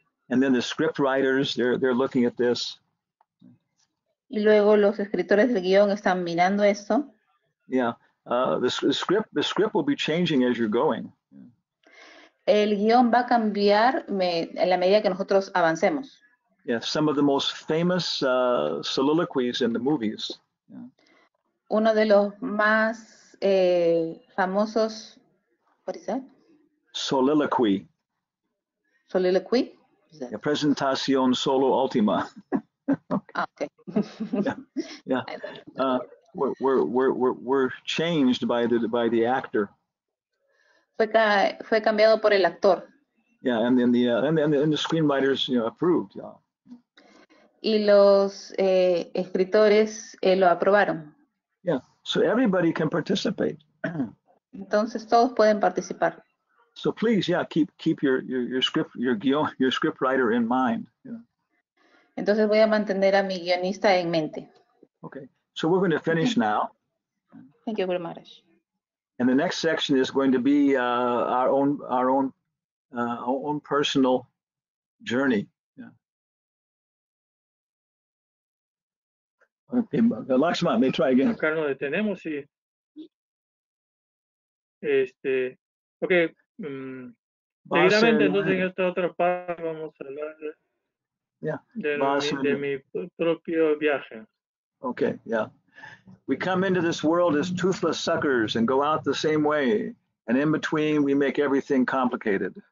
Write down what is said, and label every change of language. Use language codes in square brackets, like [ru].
[en] And then the script writers, they're looking at this. [es] Y luego los escritores del guion están mirando esto. [en] Yeah, the script will be changing as you're going. [es] El guion va a cambiar en la medida que nosotros avancemos. [en] Yeah, some of the most famous soliloquies in the movies. [es] Uno de los más famosos, [en] what is that? Soliloquy. Soliloquy? [es] La presentación solo última. [en] Okay. Ah, okay. Yeah. We're changed by the actor. [es] Fue cambiado por el actor. [en] Yeah, and the screenwriters, you know, approved. Yeah. [es] Y los escritores lo aprobaron. [en] Yeah, so everybody can participate. [es] Entonces todos pueden participar. [en] So please, yeah, keep your script writer in mind. Yeah. [es] Entonces voy a mantener a mi guionista en mente. [en] Okay, so we're going to finish now. Thank you, Guru Maharaj. And the next section is going to be our own personal journey. Lakshman, let me try again. [es] Acá nos detenemos y okay. Seguidamente, entonces, en esta otra parte vamos a hablar de mi propio viaje. [en] Okay, yeah. We come into this world as toothless suckers and go out the same way, and in between we make everything complicated.